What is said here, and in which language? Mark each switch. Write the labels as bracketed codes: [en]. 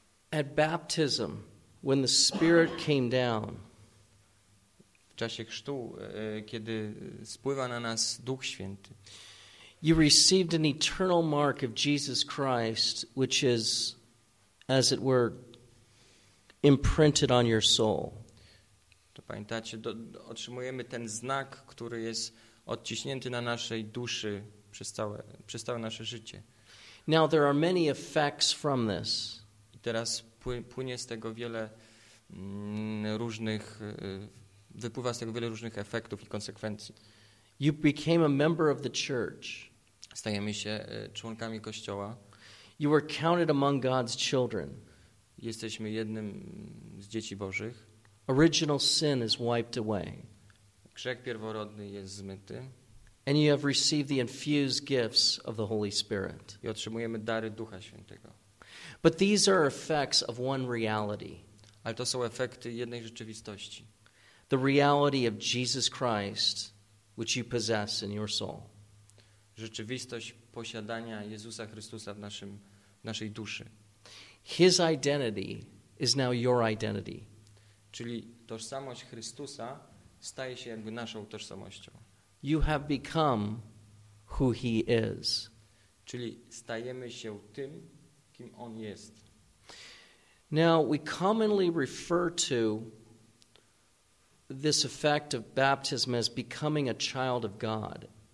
[en] At baptism, when the Spirit came down, [pl] w czasie chrztu, kiedy spływa na nas Duch Święty, [en] you received an eternal mark of Jesus Christ, which is, as it were, imprinted on your soul. [pl] To pamiętacie, otrzymujemy ten znak, który jest odciśnięty na naszej duszy przez całe nasze życie. [en] Now there are many effects from this. [pl] I teraz płynie z tego wiele różnych, wypływa z tego wiele różnych efektów i konsekwencji. [en] You became a member of the church. [pl] Stajemy się członkami Kościoła. [en] You were counted among God's children. [pl] Jesteśmy jednym z dzieci Bożych. [en] Original sin is wiped away. [pl] Grzech pierworodny jest zmyty. [en] And you have received the infused gifts of the Holy Spirit. [pl] I otrzymujemy dary Ducha Świętego. [en] But these are effects of one reality. [pl] Ale to są efekty jednej rzeczywistości. [en] The reality of Jesus Christ, which you possess in your soul. [pl] Rzeczywistość posiadania Jezusa Chrystusa w naszej duszy. [en] His identity is now your identity. [pl] Czyli tożsamość Chrystusa staje się jakby naszą tożsamością. [en] You have become who he is. [pl] Czyli stajemy się tym, kim on jest. [en] Now, we commonly refer to this effect of baptism as becoming a child of God.